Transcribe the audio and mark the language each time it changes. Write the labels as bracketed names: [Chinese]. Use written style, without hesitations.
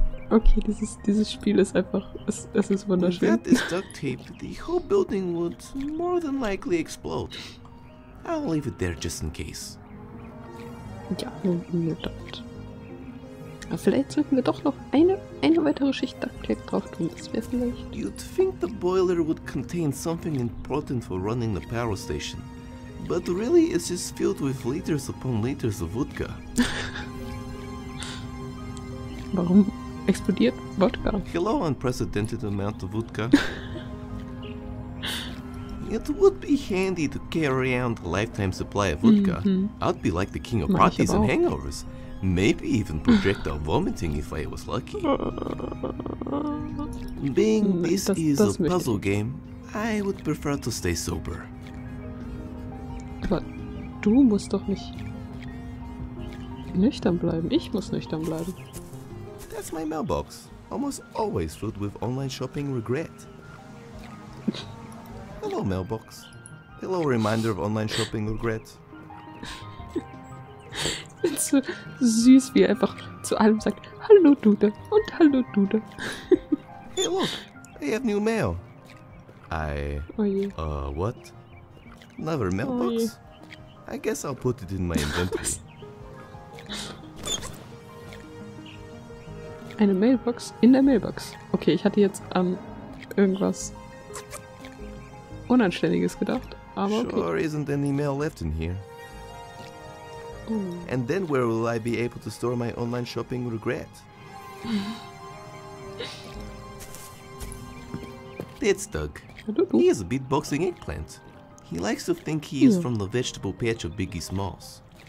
[German] Okay, dieses Spiel ist einfach, es ist wunderschön. [English] With that duct tape, the whole building would more than likely explode. I'll leave it there just in case. [German] Ja, nur dort. Vielleicht sollten wir doch noch eine weitere Schicht Duct Tape drauf tun. Das wäre vielleicht. [English] You'd think the boiler would contain something important for running the power station. But really, it's just filled with liters upon liters of vodka. [German] Warum explodiert Vodka? [English] Hello, unprecedented amount of vodka. It would be handy to carry around a lifetime supply of vodka. Mm-hmm. I'd be like the king of parties and hangovers. Maybe even projectile vomiting if I was lucky. Being this is a puzzle game, I would prefer to stay sober. [German] Aber du musst doch nicht nüchtern bleiben. Ich muss nüchtern bleiben. [English] That's my mailbox. Almost always filled with online shopping regret. Hello, mailbox. Hello, reminder of online shopping regret. [German] So süß, wie er einfach zu allem sagt, hallo Dude und hallo Dude. [English] Hey, look, I have new mail. What? Another mailbox? I guess I'll put it in my inventory. [German] Eine Mailbox in der Mailbox. Okay, ich hatte jetzt an irgendwas Unanständiges gedacht, aber okay. [English] Sure isn't any mail left in here. And then where will I be able to store my online shopping regret? It's Doug. He is a beatboxing eggplant. He likes to think he is from the vegetable patch of Biggie Smalls.